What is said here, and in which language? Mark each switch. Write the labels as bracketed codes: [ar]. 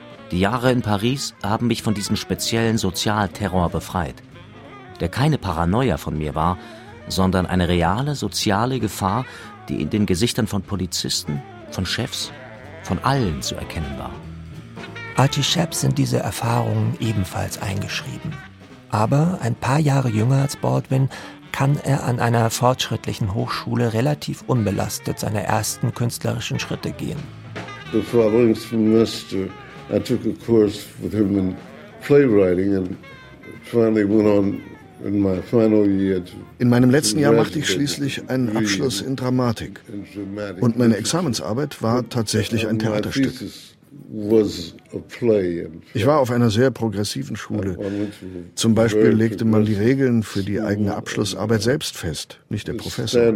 [de] Die Jahre in Paris haben mich von diesem speziellen Sozialterror befreit, der keine Paranoia von mir war, sondern eine reale soziale Gefahr, die in den Gesichtern von Polizisten, von Chefs, von allen zu erkennen war. Archie Shepp sind diese Erfahrungen ebenfalls eingeschrieben. Aber ein paar Jahre jünger als Baldwin kann er an einer fortschrittlichen Hochschule relativ unbelastet seine ersten künstlerischen Schritte gehen. [en] The following semester, I took a course with him in playwriting and finally went on. [de] In meinem letzten Jahr machte ich schließlich einen Abschluss in Dramatik. Und meine Examensarbeit war tatsächlich ein Theaterstück. Ich war auf einer sehr progressiven Schule. Zum Beispiel legte man die Regeln für die eigene Abschlussarbeit selbst fest, nicht der Professor.